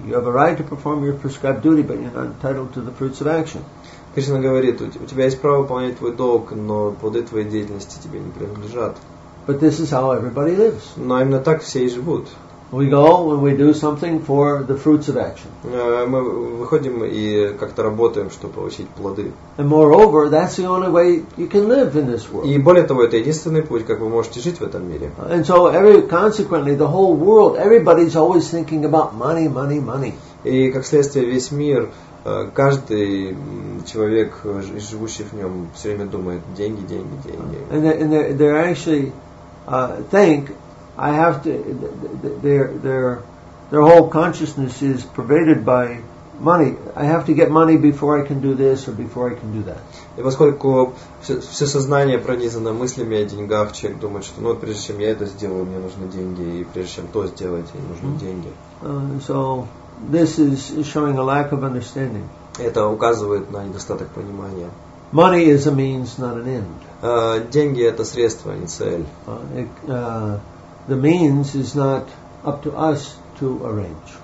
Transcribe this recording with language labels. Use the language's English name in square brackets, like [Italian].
[English] You have a right to perform your prescribed duty, but you're not entitled to the fruits of action. [Russian] Кришна говорит, у тебя есть право выполнять твой долг, но плоды твоей деятельности тебе не принадлежат. [English] But this is how everybody lives. [Russian] Но именно так все и живут. [English] We go and we do something for the fruits of action. [Russian] Мы выходим и как-то работаем, чтобы получить плоды. [English] And moreover, that's the only way you can live in this world. [Russian] И более того, это единственный путь, как вы можете жить в этом мире. [English] And so, consequently, the whole world, everybody's always thinking about money, money, money. [Russian] И как следствие, весь мир, каждый человек, живущий в нем, все время думает: деньги, деньги, деньги. [English] And they actually think. I have to. They're their whole consciousness is pervaded by money. I have to get money before I can do this or before I can do that. [Russian] И поскольку все сознание пронизано мыслями о деньгах, человек думает, что ну вот прежде чем я это сделаю, мне нужны деньги, и прежде чем то сделать, мне нужны деньги. [English] So this is showing a lack of understanding. [Russian] Это указывает на недостаток понимания. [English] Money is a means, not an end. [Russian] Деньги это средство, а не цель. [English] The means is not up to us to arrange.